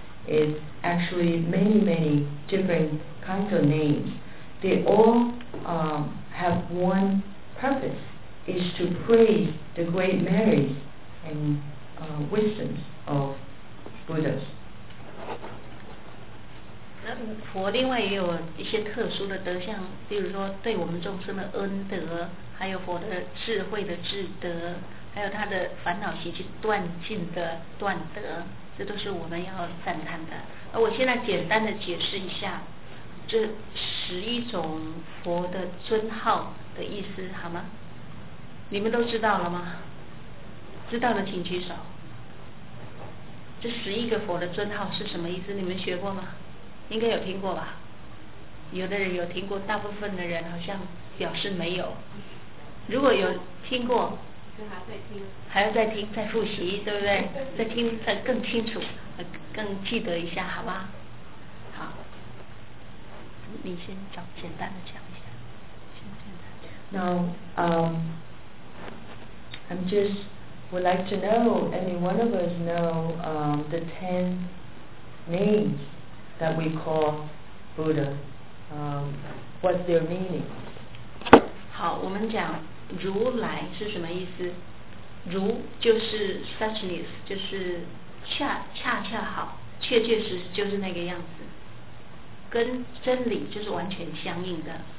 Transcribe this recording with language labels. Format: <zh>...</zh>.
<en>It's actually many, many different kinds of names. They all have one purpose, is to praise the great merits and wisdoms of Buddhas.</en> <zh>那佛另外也有一些特殊的德相，比如说对我们众生的恩德，还有佛的智慧的智德，还有他的烦恼习气断尽的断德，这都是我们要赞叹的。我现在简单的解释一下这十一种佛的尊号的意思好吗？你们都知道了吗？知道的请举手。这十一个佛的尊号是什么意思？你们学过吗？应该有听过吧？有的人有听过，大部分的人好像表示没有。如果有听过，还要再听，再复习，对不对？再听，再更清楚，更记得一下，好吧？好，你先找简单的讲一下，先简单讲。</zh> <en>Now, I'm just would like to know, any one of us know the 10 names that we call Buddha. What's their meaning?</en> <zh>好，我们讲如来是什么意思？如就是 suchness， 就是恰恰好，确确实实就是那个样子，跟真理就是完全相应的。</zh>